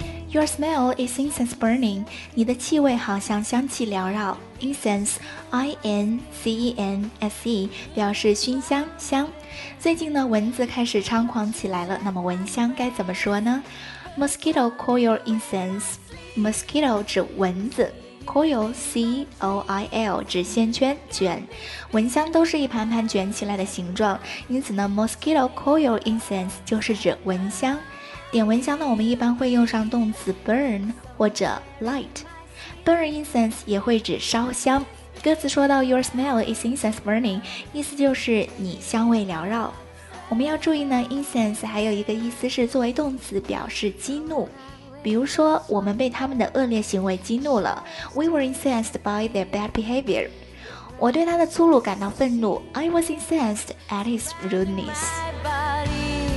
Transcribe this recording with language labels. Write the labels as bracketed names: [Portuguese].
[English] Your smell is incense burning. [Chinese] 你的气味好像香气缭绕。Incense, I-N-C-E-N-S-E, 表示熏香、香。最近呢，蚊子开始猖狂起来了。那么蚊香该怎么说呢 ？Mosquito coil incense. Mosquito 指蚊子 ，coil C-O-I-L 指线圈、卷。蚊香都是一盘盘卷起来的形状，因此呢 ，mosquito coil incense 就是指蚊香。点蚊香呢，我们一般会用上动词 burn 或者 light。 burn incense 也会指烧香。歌词说到 [English] your smell is incense burning， [Chinese] 意思就是你香味缭绕。我们要注意呢， incense 还有一个意思是作为动词表示激怒，比如说我们被他们的恶劣行为激怒了， [English] we were incensed by their bad behavior。 [Chinese] 我对他的粗鲁感到愤怒， [English] I was incensed at his rudeness。